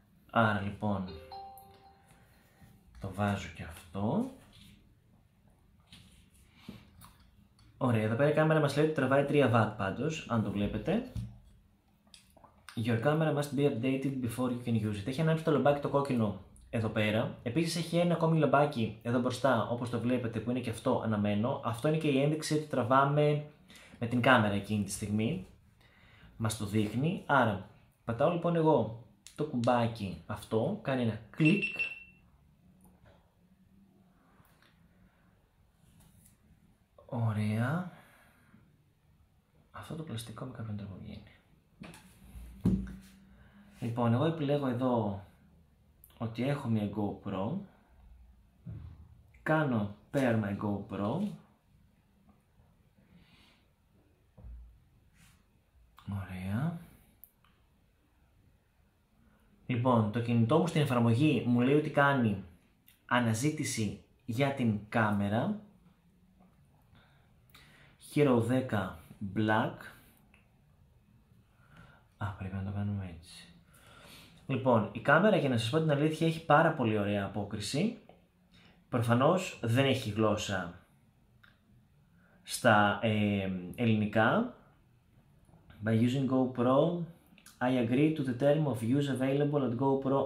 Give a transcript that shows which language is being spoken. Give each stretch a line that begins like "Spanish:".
Greek: Άρα λοιπόν το βάζω και αυτό. Ωραία, εδώ πέρα η κάμερα μας λέει ότι τραβάει 3 W πάντως, αν το βλέπετε.
English: Your camera must be updated before you can use it.
Greek: Έχει ανάψει το λαμπάκι το κόκκινο εδώ πέρα. Επίσης έχει ένα ακόμη λαμπάκι εδώ μπροστά, όπως το βλέπετε, που είναι και αυτό αναμένο. Αυτό είναι και η ένδειξη ότι τραβάμε με την κάμερα εκείνη τη στιγμή. Μας το δείχνει. Άρα, πατάω λοιπόν εγώ το κουμπάκι αυτό, κάνει ένα κλικ. Ωραία. Αυτό το πλαστικό με κάποιον τρόπο βγαίνει. Λοιπόν, εγώ επιλέγω εδώ ότι έχω μια GoPro. Κάνω
English: pair my GoPro.
Greek: Ωραία. Λοιπόν, το κινητό μου στην εφαρμογή μου λέει ότι κάνει αναζήτηση για την κάμερα. Hero 10 Black. Α, πρέπει να το κάνουμε έτσι. Λοιπόν, η κάμερα, για να σας πω την αλήθεια, έχει πάρα πολύ ωραία απόκριση. Προφανώς δεν έχει γλώσσα στα ελληνικά.
English: By using GoPro, I agree to the term of use available at GoPro.